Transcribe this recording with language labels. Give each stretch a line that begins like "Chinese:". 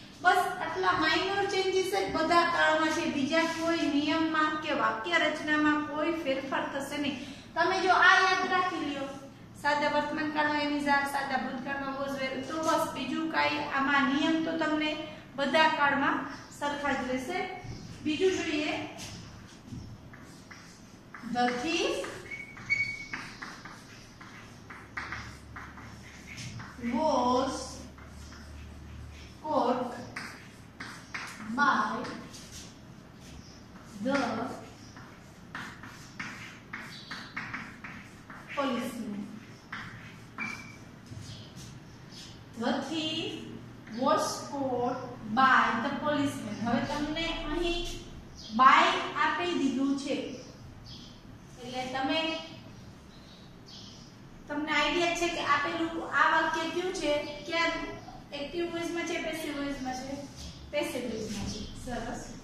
Gujarati: બસ આટલા minor changes જ બધા કાળમાં છે, બીજા કોઈ નિયમમાં કે વાક્ય રચનામાં કોઈ ફેરફાર થશે નહીં. તમે જો આ યાદ રાખી લ્યો સાદા વર્તમાનકાળમાં એમીઝાર, સાદા ભૂતકાળમાં વોઝ વેર, તો બસ બીજું કાંઈ આમાં નિયમ તો તમને બધા કાળમાં સરખા જ રહેશે. બીજું જોઈએ
English: The thief was caught by the policeman. The thief was caught by the policeman.
Gujarati: હવે તમને અહીં by આપી દીધું છે એટલે તમે તમને આઈડિયા છે કે આપેલું આ વાક્ય કયું છે, ક્યાં એક્ટિવ વોઇસમાં છે, પેસિવ વોઇસમાં છે? પેસિવ વોઇસમાં છે. સરસ.